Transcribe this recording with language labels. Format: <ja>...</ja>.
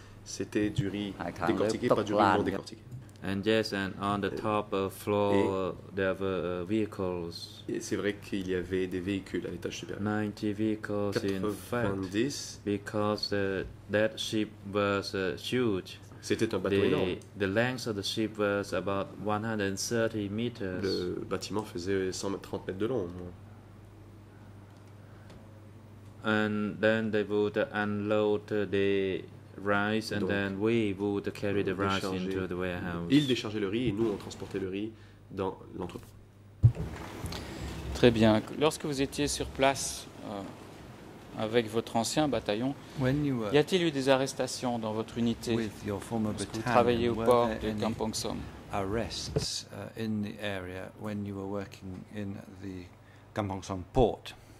<fr>C'était du riz décortiqué, pas du riz non décortiqué.</fr> <en>And yes, and on the top floor there were vehicles.</en> <fr>Et c'est vrai qu'il y avait des véhicules à l'étage supérieur.</fr> <en>90 vehicles 90 in fact, because that ship was huge.</en> <fr>C'était un bateau énorme.</fr> <en>The length of the ship was about 130 meters.</en> <fr>Le bâtiment faisait 130 mètres de long.</fr> <en>And then they would unload the rice and</en> <fr>donc,</fr> <en>then we would carry the rice into the warehouse.</en> <fr>Ils déchargeaient le riz et nous on transportait le riz dans l'entrepôt. Très bien. Lorsque vous étiez sur place avec votre ancien bataillon, y a-t-il eu des arrestations dans votre unité lorsque vous travailliez au port de Kampong Som?</fr> <en>Arrests in the area when you were working in the Kampong Som port?</en>